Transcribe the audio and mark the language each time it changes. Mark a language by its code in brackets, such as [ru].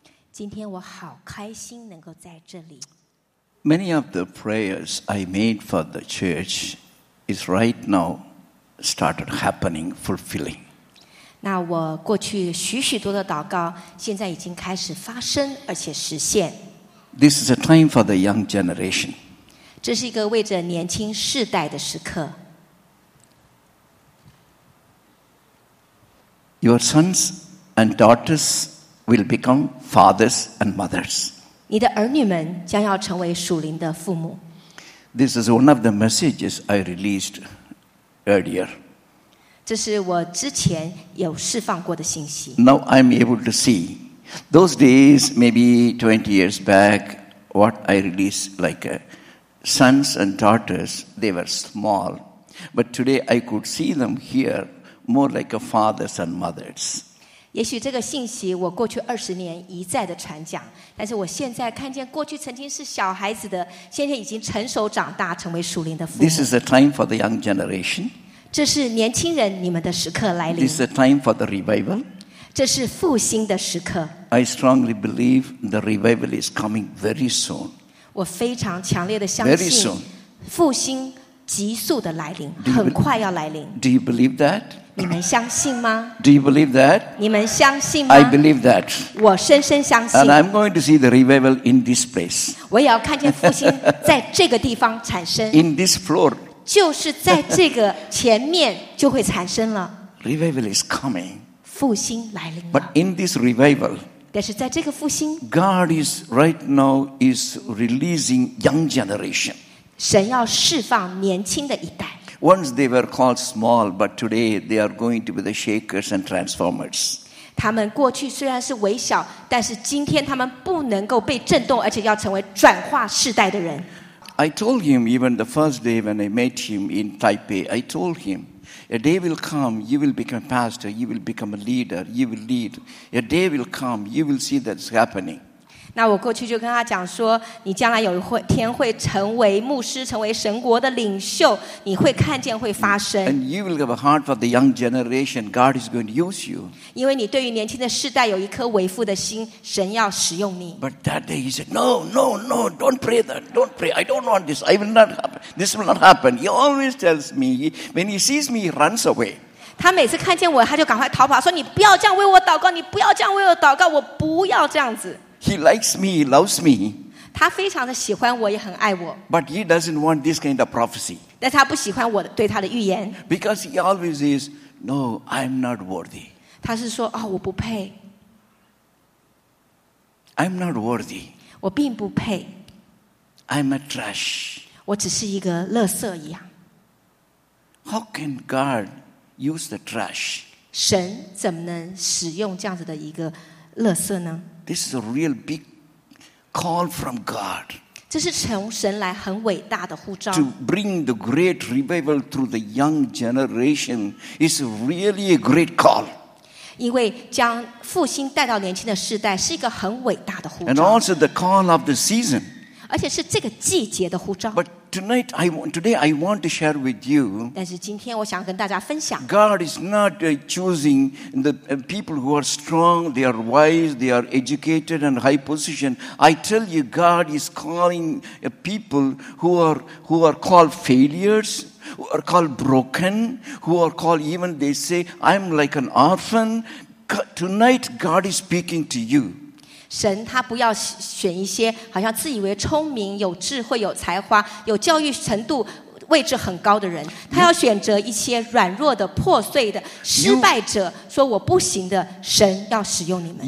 [zh] 今天我好开心能够在这里。 [en] Many of the prayers I made for the church is right now started happening, fulfilling. [zh] 那我过去许许多的祷告，现在已经开始发生，而且实现。 [en] This is a time for the young generation. [zh] 这是一个为着年轻世代的时刻。 [en] Your sons and daughters will become fathers and mothers. [zh] 你的儿女们将要成为属灵的父母。 [en] This is one of the messages I released earlier. [zh] 这是我之前有释放过的信息。 [en] Now I'm able to see those days, maybe 20 years back, what I released like sons and daughters, they were small. But today I could see them here. More like a fathers and mothers. [zh] 也许这个信息我过去二十年一再的传讲，但是我现在看见过去曾经是小孩子的，现在已经成熟长大，成为属灵的父母。 [en] This is a time for the young generation. [zh] 这是年轻人你们的时刻来临。 [en] This is a time for the revival. [zh] 这是复兴的时刻。 [en] I strongly believe the revival is coming very soon. [zh] 我非常强烈的相信。 [en] Very soon. [zh] 复兴。急速的来临，很快要来临。 [en] Do you believe that? [zh] 你们相信吗？ [en] Do you believe that? [zh] 你们相信吗？ [en] I believe that. [zh] 我深深相信。 [en] And I'm going to see the revival in this place. [zh] 我也要看见复兴在这个地方产生。 [en] In this floor. [zh] 就是在这个前面就会产生了。 [en] Revival is coming. [zh] 复兴来临了。 [en] But in this revival. [zh] 但是在这个复兴。 [en] God is right now is releasing young generation. [zh] 神要释放年轻的一代。 [en] Once they were called small, but today they are going to be the shakers and transformers. [zh] 他们过去虽然是微小，但是今天他们不能够被震动，而且要成为转化世代的人。 [en] I told him even the first day when I met him in Taipei, I told him, a day will come, you will become a pastor, you will become a leader, you will lead. A day will come, you will see that's happening. [zh] 那我过去就跟他讲说，你将来有一天会成为牧师，成为神国的领袖，你会看见会发生。 [en] And you will have a heart for the young generation. God is going to use you. [zh] 因为你对于年轻的世代有一颗为父的心，神要使用你。 [en] But that day he said, No, don't pray that. Don't pray. I don't want this. I will not happen. This will not happen. He always tells me when he sees me, he runs away. [zh] 他每次看见我，他就赶快逃跑，说：“你不要这样为我祷告，你不要这样为我祷告，我不要这样子。” [en] He likes me, he loves me. [zh] 他非常的喜欢我，也很爱我。 [en] But he doesn't want this kind of prophecy. [zh] 但他不喜欢我对他的预言。 [en] Because he always is, no, I'm not worthy. [zh] 他是说：“哦，我不配。” [en] I'm not worthy. [zh] 我并不配。 [en] I'm a trash. [zh] 我只是一个垃圾一样。 [en] How can God? Use the trash. [zh] 神怎么能使用这样子的一个垃圾呢？ [en] This is a real big call from God. [zh] 这是从神来很伟大的呼召。 [en] To bring the great revival through the young generation is really a great call. [zh] 因为将复兴带到年轻的世代是一个很伟大的呼召。 [en] And also the call of the season. [zh] 而且是这个季节的呼召。 [en] Tonight, today I want to share with you. [zh] 但是今天我想跟大家分享。 [en] God is not choosing the people who are strong, they are wise, they are educated and high position. I tell you, God is calling people who are called failures, who are called broken, who are called even they say I'm like an orphan. Tonight, God is speaking to you. [zh] 神他不要选一些好像自以为聪明有智慧有才华有教育程度位置很高的人他要选择一些软弱的破碎的失败者说我不行的神要使用你们